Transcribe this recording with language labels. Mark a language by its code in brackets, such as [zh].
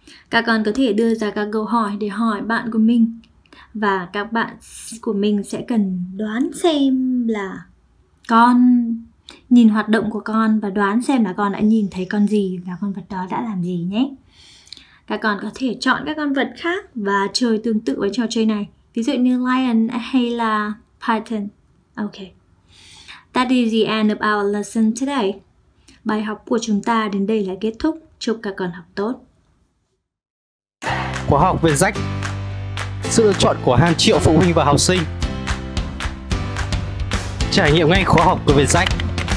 [vi] Các con có thể đưa ra các câu hỏi để hỏi bạn của mình. Và các bạn của mình sẽ cần đoán xem là con nhìn hoạt động của con và đoán xem là con đã nhìn thấy con gì và con vật đó đã làm gì nhé. Các con có thể chọn các con vật khác và chơi tương tự với trò chơi này. Ví dụ như lion hay là python. [en] Okay. That is the end of our lesson today. [vi] Bài học của chúng ta đến đây là kết thúc. Chúc các con học tốt. Khóa học Việt Rách. Sự lựa chọn của hàng triệu phụ huynh và học sinh. Trải nghiệm ngay khóa học của Việt Rách.